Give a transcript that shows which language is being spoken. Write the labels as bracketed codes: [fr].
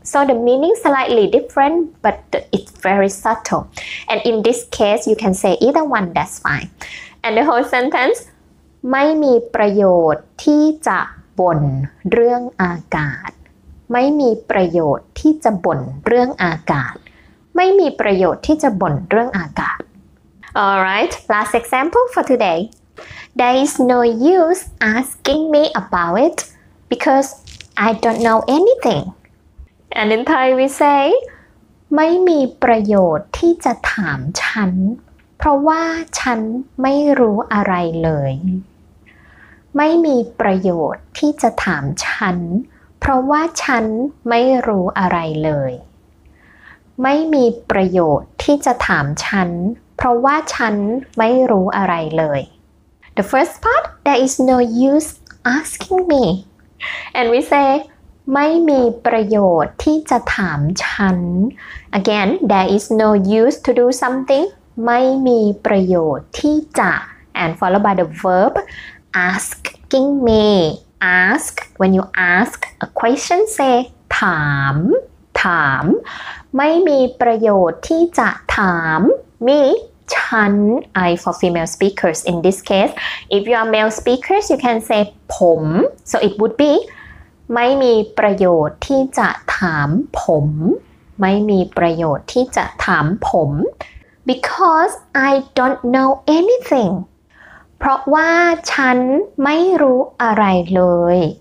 [en] So the meaning slightly different, but it's very subtle. And in this case, you can say either one, that's fine. And the whole sentence, [th] ไม่มีประโยชน์ที่จะบ่นเรื่องอากาศ ไม่มีประโยชน์ที่จะบ่นเรื่องอากาศ ไม่มีประโยชน์ที่จะบ่นเรื่องอากาศ [en] Alright, last example for today. There is no use asking me about it because I don't know anything. And in Thai we say, [th] ไม่มีประโยชน์ที่จะถามฉันเพราะว่าฉันไม่รู้อะไรเลย. ไม่มีประโยชน์ที่จะถามฉันเพราะว่าฉันไม่รู้อะไรเลย. ไม่มีประโยชน์ที่จะถามฉันเพราะว่าฉันไม่รู้อะไรเลย [en] The first part there is no use asking me and we say [th] ไม่มีประโยชน์ที่จะถามฉัน [en] again there is no use to do something ไม่มีประโยชน์ที่จะ and followed by the verb asking me ask when you ask a question say ถามถามไม่มีประโยชน์ที่จะถามMe, ฉัน, I for female speakers in this case. If you are male speakers, you can say ผม. So it would be [th] ไม่มีประโยชน์ที่จะถามผม. ไม่มีประโยชน์ที่จะถามผม. [en] Because I don't know anything. [th] เพราะว่าฉันไม่รู้อะไรเลย.